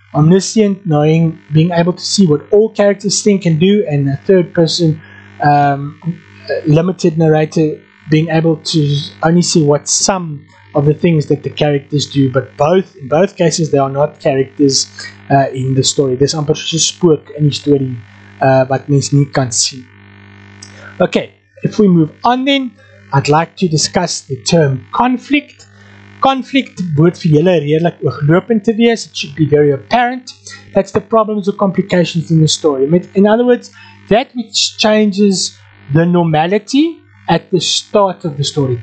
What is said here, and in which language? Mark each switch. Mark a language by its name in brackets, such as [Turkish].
[English] Omniscient, knowing, being able to see what all characters think and do, and a third person limited narrator, being able to only see what some of the things that the characters do, but both, in both cases, they are not characters in the story. [Afrikaans] Dis amper soos 'n spook in die storie wat mens nie kan sien. [English] Okay, if we move on then, I'd like to discuss the term conflict. [Afrikaans] Conflict word vir julle redelik ooglopend te wees. [English] It should be very apparent. That's the problems or complications in the story. In other words, that which changes the normality at the start of the story.